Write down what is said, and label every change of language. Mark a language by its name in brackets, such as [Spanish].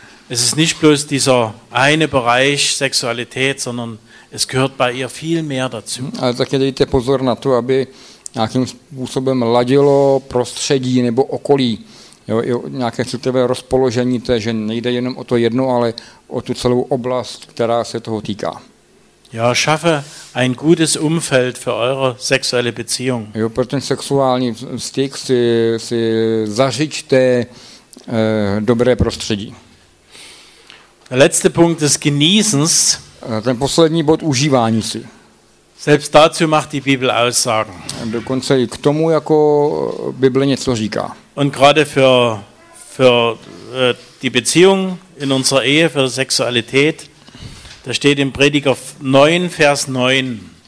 [German] Es ist nicht bloß dieser eine Bereich Sexualität, sondern es gehört bei ihr viel mehr dazu. [Czech] Also také dejte pozor na to, aby nějakým způsobem ladilo prostředí nebo okolí, jo, nějaké citlivé rozpoložení, to je, že nejde jenom o to jedno, ale o tu celou oblast, která se toho týká. [German] Ja, schaffe ein gutes Umfeld für eure sexuelle Beziehung. [Czech] Jo, pro ten sexuální styk si zařiďte dobré prostředí. [German] Letzte Punkt des Genießens. [Czech] Ten poslední bod užívání si. [German] Selbst dazu macht die Bibel Aussagen. [Czech] Dokonce i k tomu jako Bible něco říká. [German] Und gerade für die Beziehung in unserer Ehe, für Sexualität, da steht im Prediger 9, Vers 9.